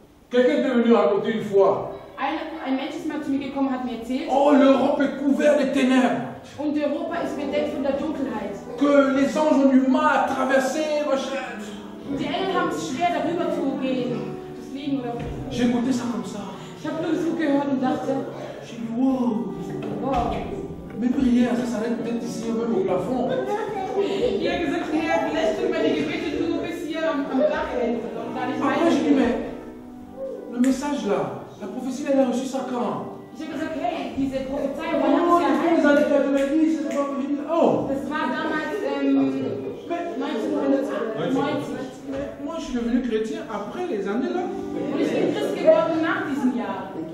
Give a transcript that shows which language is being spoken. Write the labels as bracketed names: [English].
[French] Quelqu'un est venu raconter une fois. [German] Ein Mensch ist mal zu mir gekommen, hat mir erzählt. [French] Oh, l'Europe est couverte de ténèbres. [German] Und Europa ist bedeckt von der Dunkelheit. [French] Que les anges ont du mal à traverser, ma chère. [German] Die Engel haben es schwer, darüber zu gehen. [French] J'ai goûté ça comme ça. [German] Ich habe nur so gehört und dachte. [French] J'ai dit wow. Mes prières, ça s'arrête peut-être ici, même au plafond. Il a dit, [German] Herr, vielleicht tut meine Gebete nur bis hier am Dach. [French] Après, j'ai dit, mais le message là, la prophétie, elle a reçu ça quand? J'ai dit, hey, diese Prophétie, [German] wann hat sie erhalten? [French] Oh, c'est quoi les années 90, c'est pas plus vite. Oh! [German] Das war damals 1998. [French] Moi, je suis devenu chrétien après les années là. [German] Und ich bin Christ geworden nach diesem Jahr.